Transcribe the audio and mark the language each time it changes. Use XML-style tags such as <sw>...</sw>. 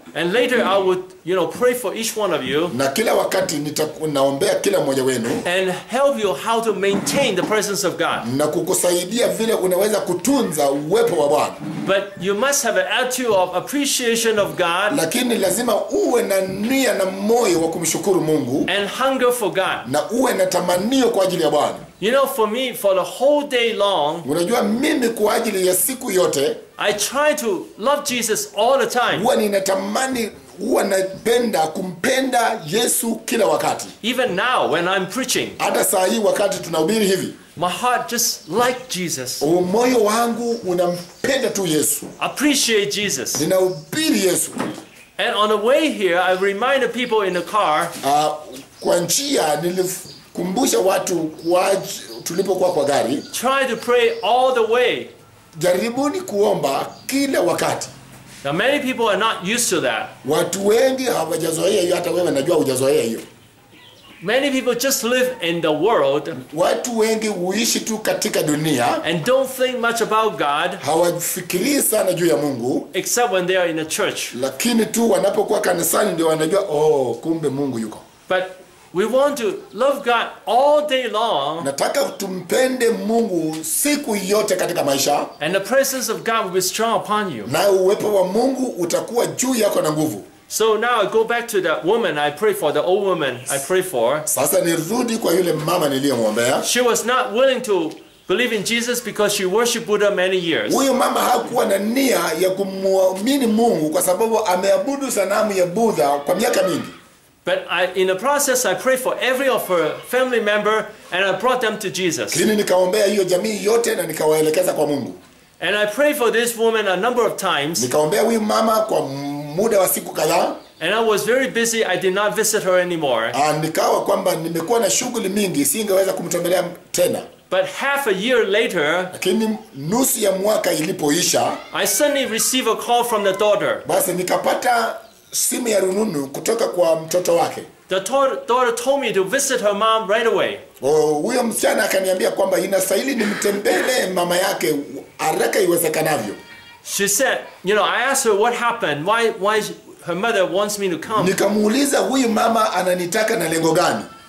<en>And later I would, you know, pray for each one of you.</en> <sw>Na kila wakati naombea kila mmoja wenu.</sw> <en>And help you how to maintain the presence of God.</en> <sw>Na kukusaidia vile unaweza kutunza uwepo wa Bwana.</sw> <en>But you must have an attitude of appreciation of God.</en> <sw>Lakini lazima uwe na nia na moyo wa kumshukuru Mungu.</sw> <en>And hunger for God.</en> <sw>Na uwe na tamanio kwa ajili ya Bwana.</sw> <en>You know, for me, for the whole day long,</en> <sw>unajua mimi kwa ajili ya siku yote,</sw> <en>I try to love Jesus all the time.</en> <sw>Huwa ninatamani, huwa napenda kumpenda Yesu kila wakati.</sw> <en>Even now, when I'm preaching,</en> <sw>hata saa hii wakati tunahubiri hivi,</sw> <en>my heart just like Jesus.</en> <sw>Moyo wangu unampenda tu Yesu.</sw> <en>Appreciate Jesus.</en> <sw>Ninahubiri Yesu.</sw> <en>And on the way here, I remind the people in the car,</en> <sw>kwa njia kumbusha watu tulipokuwa kwa gari.</sw> <en>Try to pray all the way.</en> <sw>Jaribuni kuomba kila wakati.</sw> <en>Now many people are not used to that.</en> <sw>Watu wengi hawajazoea hiyo, hata wewe najua hujazoea hiyo.</sw> <en>Many people just live in the world.</en> <sw>Watu wengi huishi tu katika dunia.</sw> <en>And don't think much about God.</en> <sw>Hawafikiri sana juu ya Mungu.</sw> <en>Except when they are in a church.</en> <sw>Lakini tu wanapokuwa kanisani ndio wanajua, oh, kumbe Mungu yuko.</sw> <en>But we want to love God all day long.</en> <sw>Nataka tumpende Mungu siku yote katika maisha.</sw> <en>And the presence of God will be strong upon you.</en> <sw>Na uwepo wa Mungu utakuwa juu yako na nguvu.</sw> <en>So now I go back to that woman I pray for, the old woman I pray for.</en> <sw>Sasa nirudi kwa yule mama niliyemwombea.</sw> <en>She was not willing to believe in Jesus because she worshiped Buddha many years.</en> <sw>Huyo mama hakuwa na nia ya kumwamini Mungu kwa sababu ameabudu sanamu ya Buddha kwa miaka mingi.</sw> <en>But in the process, I prayed for every of her family member, and I brought them to Jesus.</en> <sw>Lakini nikaombea hiyo jamii yote na nikawaelekeza kwa Mungu.</sw> <en>And I prayed for this woman a number of times.</en> <sw>Nikaombea huyu mama kwa muda wa siku kadhaa.</sw> <en>And I was very busy. I did not visit her anymore.</en> <sw>Nikawa kwamba nimekuwa na shughuli mingi, singeweza kumtembelea tena.</sw> <en>But half a year later,</en> <sw>lakini nusu ya mwaka ilipoisha,</sw> <en>I suddenly received a call from the daughter.</en> <sw>Basi nikapata simu ya rununu kutoka kwa mtoto wake.</sw> <en>The daughter told me to visit her mom right away.</en> <sw>Huyo msichana akaniambia kwamba inastahili nimtembele mama yake haraka iwezekanavyo.</sw> <en>She said, you know, I asked her what happened, why her mother wants me to come.</en> <sw>Nikamuuliza huyu mama ananitaka na lengo gani.</sw>